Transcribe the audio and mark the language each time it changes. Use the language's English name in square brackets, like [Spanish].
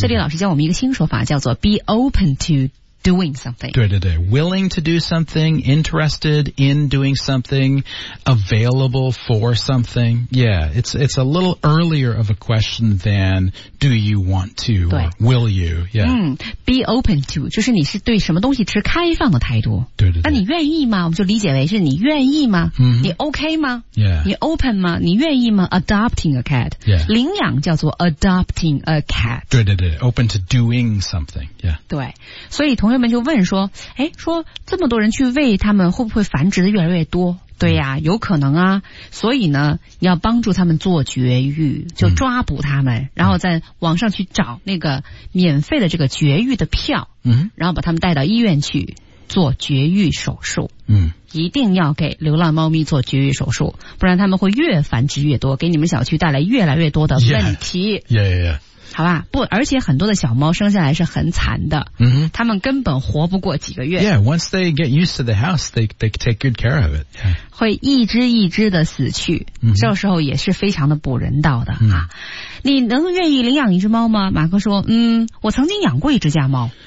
[Chinese] 这里老师教我们一个新说法叫做 [English] be open to doing something 对对对 willing to do something interested in doing something available for something yeah it's a little earlier of a question than do you want to will you yeah、 be open to [Chinese] 就是你是对什么东西持开放的态度对对对那你愿意吗我们就理解为是你愿意吗、你 OK 吗、 [English] yeah. [Chinese] 你 open 吗你愿意吗 [English] adopting a cat、 yeah. [Chinese] 领养叫做 [English] adopting a cat 对对对 open to doing something、yeah. [Chinese] 对所以同学们就问说诶说这么多人去喂他们会不会繁殖的越来越多对呀、有可能啊所以呢要帮助他们做绝育就抓捕他们、然后在网上去找那个免费的这个绝育的票、然后把他们带到医院去做绝育手术、一定要给流浪猫咪做绝育手术不然他们会越繁殖越多给你们小区带来越来越多的问题 [English] yeah. [Chinese] 好吧不而且很多的小猫生下来是很惨的 [English] 嗯、mm-hmm. [Chinese] 他们根本活不过几个月。 [English] Yeah, once they get used to the house, they take good care of it.、 [Chinese] 会一只一只的死去、这时候也是非常的不人道的、你能愿意领养一只猫吗马克说嗯我曾经养过一只家猫。